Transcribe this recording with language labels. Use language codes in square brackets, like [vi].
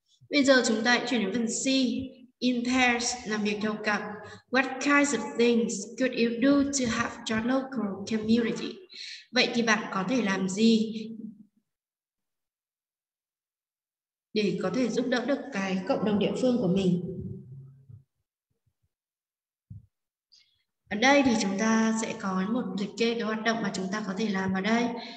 [vi] Bây giờ chúng ta chuyển đến phần C. [en] In pairs, [vi] làm việc theo cặp. [en] What kinds of things could you do to help your local community? [vi] Vậy thì bạn có thể làm gì để có thể giúp đỡ được cái cộng đồng địa phương của mình? Ở đây thì chúng ta sẽ có một liệt kê cái hoạt động mà chúng ta có thể làm ở đây.